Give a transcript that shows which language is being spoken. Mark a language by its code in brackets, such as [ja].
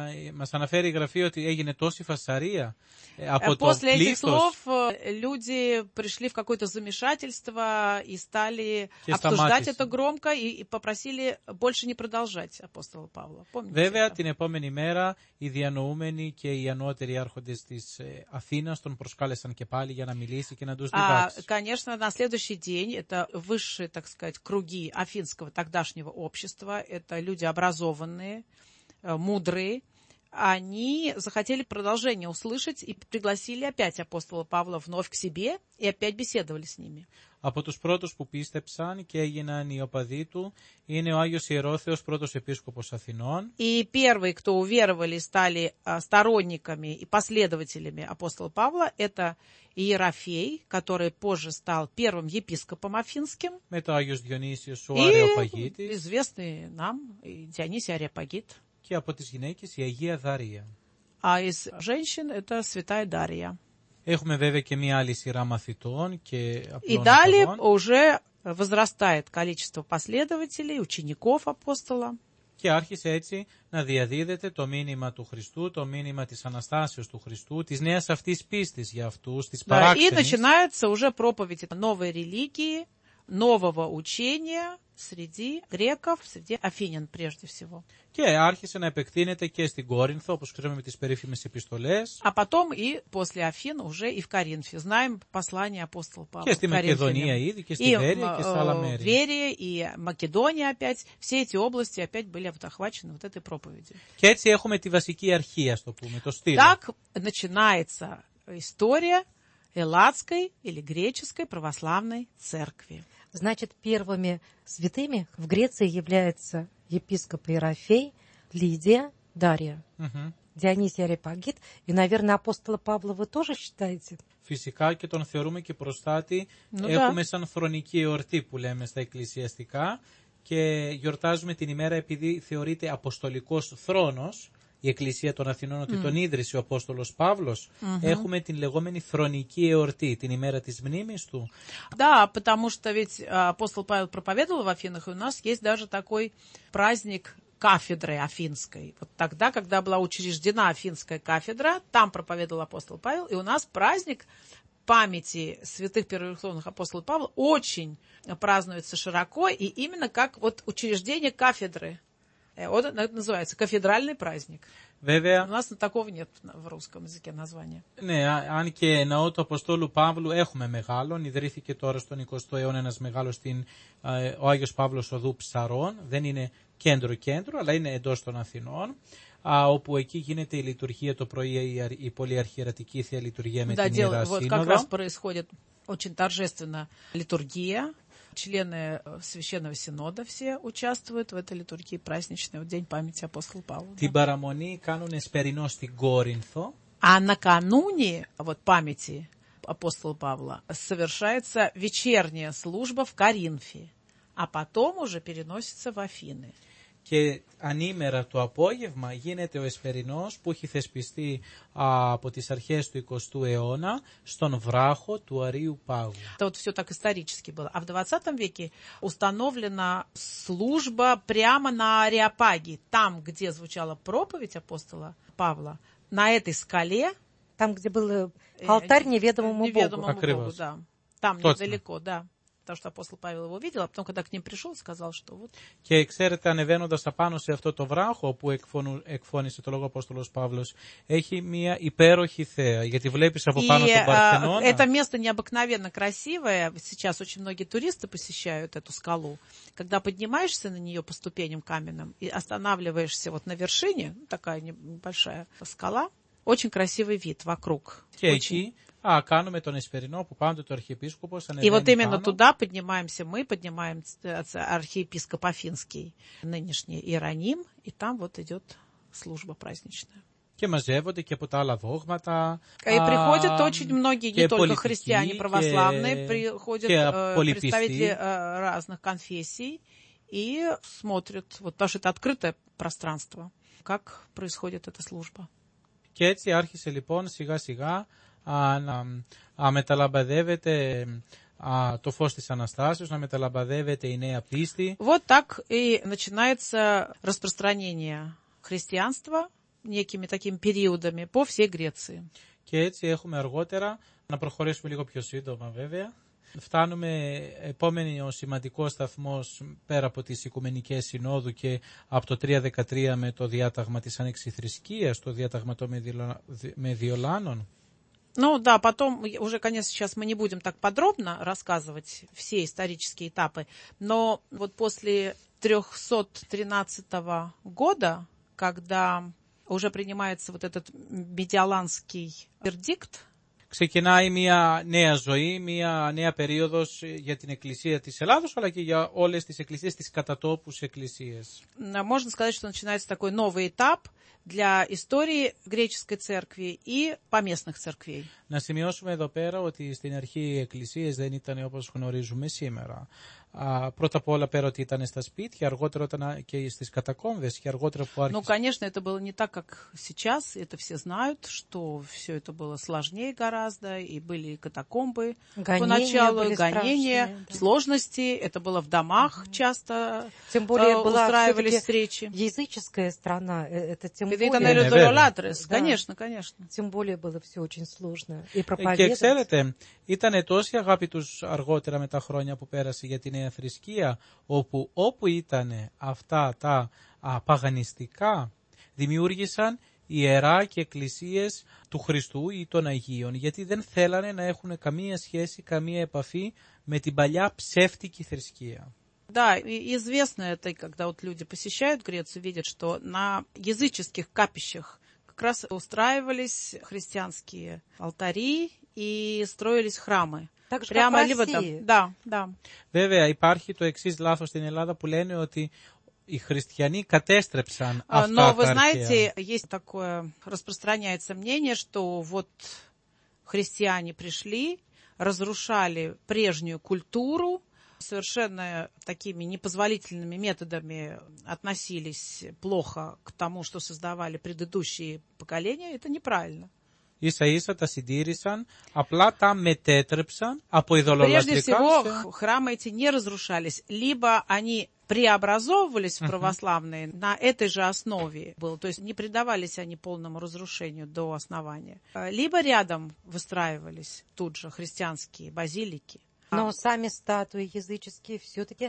[el] Μας αναφέρει η Γραφή ότι έγινε τόση φασαρία από το πλήθος. [ru] После этих слов люди пришли в какое-то замешательство и стали обсуждать это громко и попросили больше не продолжать апостола Павла. Помните [el] Βέβαια [ru] это? [el] Την επόμενη μέρα οι διανοούμενοι και οι ανώτεροι άρχοντες της Αθήνας τον προσκάλεσαν και πάλι για να μιλήσει και να τους διδάξει. [ru] Конечно, на следующий день это высшие, так сказать, круги афинского тогдашнего общества. Это люди образованные, мудрые, они захотели продолжение услышать и пригласили опять апостола Павла вновь к себе и опять беседовали с ними. [el] Από τους πρώτους που πίστεψαν και έγιναν οι οπαδοί του είναι ο Άγιος Ιερόθεος, πρώτος επίσκοπος Αθηνών. [ru] И первые, кто уверовали, стали сторонниками и последователями апостола Павла, это Ιεραφέη, который позже стал первым епископом Афинским. [el] Με το Άγιος Διονύσιος, ο Αρεοπαγίτης. [ru] И известный нам Дионисий Ареопагит. [el] Και από τις γυναίκες η Αγία Δάρια. [ru] А из женщин это святая Дарья. [el] Έχουμε βέβαια και μία άλλη σειρά μαθητών και [ru] И далее уже возрастает количество последователей, учеников апостола. [el] Και άρχισε έτσι να διαδίδεται το μήνυμα του Χριστού, το μήνυμα της Αναστάσεως του Χριστού, της νέας αυτής πίστης για αυτούς, της παράξενης. [ru] И начинается уже проповедь новой религии, нового учения среди греков, среди афинян прежде всего. [el] Και άρχισε να επεκτείνεται και στην Κόρινθο, όπως ξέρουμε με τις περίφημες επιστολές. [ru] А потом и после Афин уже и в Коринфе. Знаем послание апостола Павла. [el] Και στη Μακεδονία ήδη, και στη Βέρεια και σε άλλα μέρη. [ru] И Βέρεια, и Македония опять. Все эти области опять были охвачены вот этой проповедью. [el] Και έτσι έχουμε τη βασική αρχή, ας το πούμε, το στήλο. [ru] Так начинается история Элладской или Греческой Православной Церкви. Значит, первыми святыми в Греции являются епископ Ерофей, Лидия, Дарья, Дионисий Ареопагит и, наверное, апостола Павла вы тоже считаете? [el] Φυσικά και τον θεωρούμε και προστάτη. [ru] Ну, [el] Έχουμε [ru] да. [el] Σαν φρονική εορτή που λέμε στα εκκλησιαστικά και γιορτάζουμε την ημέρα επειδή θεωρείται αποστολικός θρόνος η Εκκλησία των Αθηνών ότι τον ίδρυσε ο Απόστολος Παύλος, έχουμε την λεγόμενη θρονική εορτή, την ημέρα της μνήμης του. [ru] Да, потому что ведь апостол Павел проповедовал в Афинах, и у нас есть даже такой праздник кафедры афинской. Вот тогда, когда была учреждена афинская кафедра, там проповедовал апостол Павел, и у нас праздник памяти святых первоверховных апостола Павла очень празднуется широко, и именно как вот учреждение кафедры. Он называется кафедральный праздник. [el] Βέβαια, [ru] у нас такого нет в русском языке названия. [el] Ναι, αν και ναό του Αποστόλου Παύλου έχουμε μεγάλον, ιδρύθηκε τώρα στον 20ο αιώνα ένας μεγάλος ο Άγιος Παύλος Οδού Ψαρών, δεν είναι κέντρο-κέντρο, αλλά είναι εντός των Αθηνών, όπου εκεί γίνεται η λειτουργία το πρωί, η πολυαρχιερατική θεία λειτουργία με [ru] да, [el] την Ιερά [ru] вот, [el] Σύνοδο. [ru] Как раз происходит очень торжественная литургия. Члены Священного Синода все участвуют в этой литургии праздничной, в День памяти апостола Павла. [el] Την παραμονή κάνουν εσπερινό στην Κόρινθο. [ru] А накануне вот, памяти апостола Павла совершается вечерняя служба в Коринфе, а потом уже переносится в Афины. [el] Και ανήμερα το απόγευμα γίνεται ο εσπερινός που έχει θεσπιστεί από τις αρχές του 20ου αιώνα στον βράχο του Αρείου Πάγου. [ru] Это вот все так исторически было. А в 20 веке установлена служба прямо на Ареопаге, там, где звучала проповедь апостола Павла, на этой скале. Там, где был алтарь неведомому Богу. Неведомому Богу, да. Там недалеко, да. потому что апостол Павел его видел, а потом, когда к ним пришел, сказал, что вот... [el] Και ξέρετε, ανεβαίνοντας απάνω σε αυτό το βράχο που εκφώνησε το λόγο Απόστολος Παύλος, έχει μια υπέροχη θέα, γιατί βλέπεις από πάνω τον Παρθενώνα. [ru] Это место необыкновенно красивое. Сейчас очень многие туристы посещают эту скалу. Когда поднимаешься на нее по ступеням каменным и останавливаешься вот на вершине, такая небольшая скала, очень красивый вид вокруг. [el] Και [ru] очень... [el] εκεί... А, кануме тон эсперино, по панту то архиепископу. [ru] И вот именно пану. Туда поднимаемся мы, поднимаем архиепископ Афинский, нынешний Иероним, и там вот идет служба праздничная. [el] Και μαζεύονται και από τα άλλα δόγματα. [ru] И приходят очень многие, не только христиане, православные, приходят представители разных конфессий и смотрят, вот, потому что это открытое пространство, как происходит эта служба. [el] Και έτσι άρχισε λοιπόν σιγά-σιγά να μεταλαμπαδεύεται το φως της Αναστάσεως, να μεταλαμπαδεύεται η νέα πίστη. [ru] Вот так и начинается распространение христианства некими такими периодами по всей Греции. [el] Και έτσι έχουμε αργότερα, να προχωρήσουμε λίγο πιο σύντομα βέβαια, φτάνουμε επόμενη ο σημαντικός σταθμός πέρα από τις Οικουμενικές Συνόδου και από το 313 με το διάταγμα της Άνοιξης Θρησκείας, το διάταγμα των Μεδιολάνων. [ru] Ну да, потом, уже, конечно, сейчас мы не будем так подробно рассказывать все исторические этапы, но вот после 313 года, когда уже принимается вот этот Медиоланский вердикт, [el] ξεκινάει μια νέα ζωή, μια νέα περίοδος για την Εκκλησία της Ελλάδος, αλλά και για όλες τις εκκλησίες, τις κατατόπους εκκλησίες. Να [ru] можно сказать, что начинается такой новый этап для истории греческой церкви и поместных церквей. [el] Να σημειώσουμε εδώ πέρα ότι στην αρχή οι εκκλησίες δεν ήταν όπως γνωρίζουμε σήμερα. Πρώτα απ' όλα πέρα ότι ήταν στα σπίτια, αργότερα ήταν και στις κατακόμβες και αργότερα που άρχισε... [ru] Ну, конечно, это было не так, как сейчас, это все знают, что все это было сложнее гораздо, и были катакомбы поначалу, гонения, сложности, это было в домах часто, тем более устраивались встречи. Языческая страна, это тем более... Это, наверное, дуролатрес, конечно, конечно. Тем более было все очень сложно, и проповедовать. [el] Και ξέρετε, ήταν τόση αγάπη τους αργότερα με τα χρόνια που πέρασε για την νέα θρησκεία, όπου ήταν αυτά τα παγανιστικά, δημιούργησαν ιερά και εκκλησίες του Χριστού ή των Αγίων, γιατί δεν θέλανε να έχουν καμία σχέση, καμία επαφή με την παλιά ψεύτικη θρησκεία. [ru] Да, известно это, когда вот люди посещают Грецию, видят, что на языческих капищах как раз устраивались христианские алтари и строились храмы. Прямо либо там. Да, да. [el] Βέβαια, υπάρχει το εξής λάθος στην Ελλάδα που λένε ότι οι χριστιανοί κατέστρεψαν αυτά τα αρχαία. [ru] Но вы знаете, есть такое распространяется мнение, что вот христиане пришли, разрушали прежнюю культуру, совершенно такими непозволительными методами относились плохо к тому, что создавали предыдущие поколения. Это неправильно. [el] Ίσα-ίσα τα συντήρησαν, απλά τα μετέτρεψαν από ειδωλολατρικά. [ru] Прежде всего, храмы эти не разрушались, либо они преобразовывались в православные на этой же основе было, то есть не предавались они полному разрушению до основания, либо рядом выстраивались тут же христианские базилики. Но сами статуи языческие все-таки